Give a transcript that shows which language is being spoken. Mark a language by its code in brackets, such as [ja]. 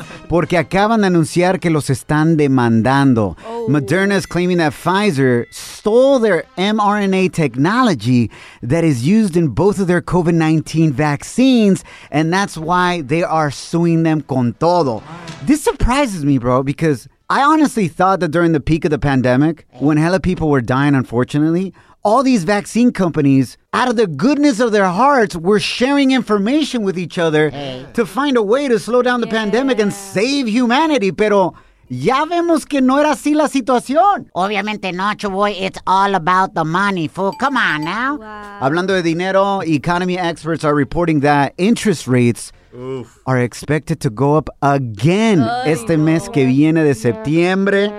[es] Porque acaban de anunciar que los están demandando. Oh. [en] Moderna is claiming that Pfizer stole their mRNA technology that is used in both of their COVID-19 vaccines, and that's why they are suing them [es] con todo. [en] This surprises me, bro, because I honestly thought that during the peak of the pandemic, when hella people were dying, unfortunately, all these vaccine companies, out of the goodness of their hearts, were sharing information with each other to find a way to slow down the pandemic and save humanity. [es] Pero ya vemos que no era así la situación. [en] Obviamente, Nacho Boy, it's all about the money, fool. Come on now. Wow. [es] Hablando de dinero, [en] economy experts are reporting that interest rates are expected to go up again [es] mes que viene de septiembre.